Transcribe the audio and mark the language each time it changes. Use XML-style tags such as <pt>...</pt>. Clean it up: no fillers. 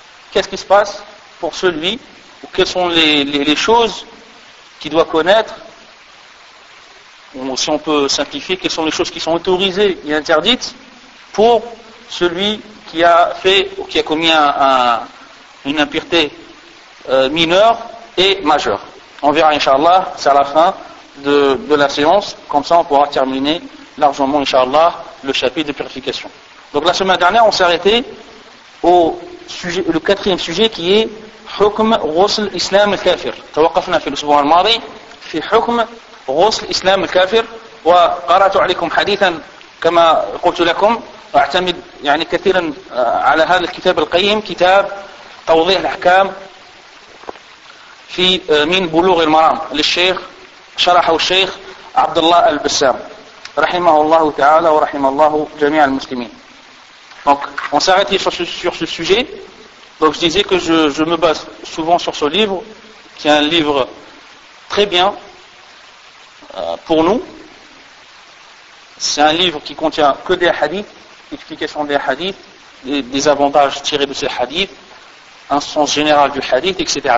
<fr>Qu'est-ce qui se passe pour celui, ou quelles sont les choses qu'il doit connaître, ou si on peut simplifier, quelles sont les choses qui sont autorisées et interdites pour celui qui a fait ou qui a commis une impureté mineure et majeure. On verra, Inch'Allah, c'est à la fin de la séance, comme ça on pourra terminer largement, Inch'Allah, le chapitre de purification. Donc la semaine dernière, on s'est arrêté au sujet, le quatrième sujet qui est</fr> <ar>حكم غسل الإسلام الكافر. توقفنا في الأسبوع الماضي في حكم غسل الإسلام الكافر وقرأت عليكم حديثا كما قلت لكم وأعتمد يعني كثيرا على هذا الكتاب القيم كتاب توضيح الأحكام في من بلوغ المرام للشيخ شرحه الشيخ عبد الله البسام رحمه الله تعالى ورحم الله جميع المسلمين.</ar> <fr>Donc, on s'est arrêté sur ce sujet. Donc, je disais que je me base souvent sur ce livre, qui est un livre très bien pour nous. C'est un livre qui contient que des hadiths, explication des hadiths, des avantages tirés de ces hadiths, un sens général du hadith, etc.</fr>